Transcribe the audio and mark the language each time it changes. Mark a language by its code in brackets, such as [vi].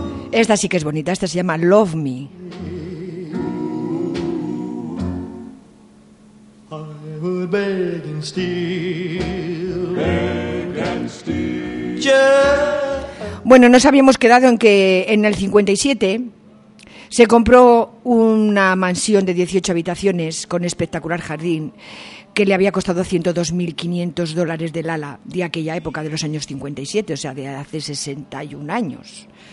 [es] Esta sí que es bonita, esta se llama Love Me. [en] I would beg and steal, beg and steal. Yeah. [es] Bueno, nos habíamos quedado en que en el 57 se compró una mansión de 18 habitaciones con espectacular jardín que le había costado $102,500 del ala de aquella época de los años 57, o sea, de hace 61 años.